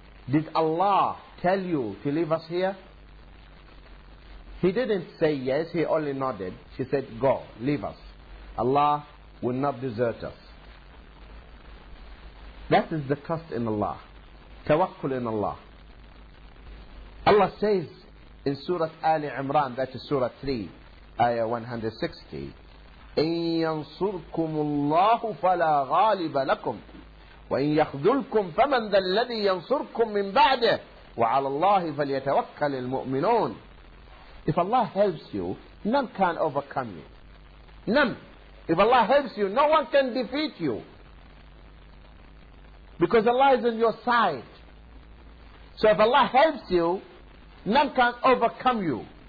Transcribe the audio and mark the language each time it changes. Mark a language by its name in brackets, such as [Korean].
[English] Did Allah tell you to leave us here? He didn't say yes, he only nodded. She said, go, leave us. Allah will not desert us. That is the trust in Allah. Tawakkul in Allah. Allah says in Surah Ali Imran, that is Surah 3, Ayah 160, [Arabic] إِن يَنْصُرْكُمُ اللَّهُ فَلَا غَالِبَ لَكُمْ وَإِن يَخْذُلْكُمْ فَمَنْ ذَا الَّذِي يَنْصُرْكُمْ مِنْ بَعْدِهِ وَعَلَى اللَّهِ فَلْيَتَوَكَّلِ الْمُؤْمِنُونَ. [English] If Allah helps you, none can overcome you. None. If Allah helps you, no one can defeat you. Because Allah is on your side. So if Allah helps you, none can overcome you.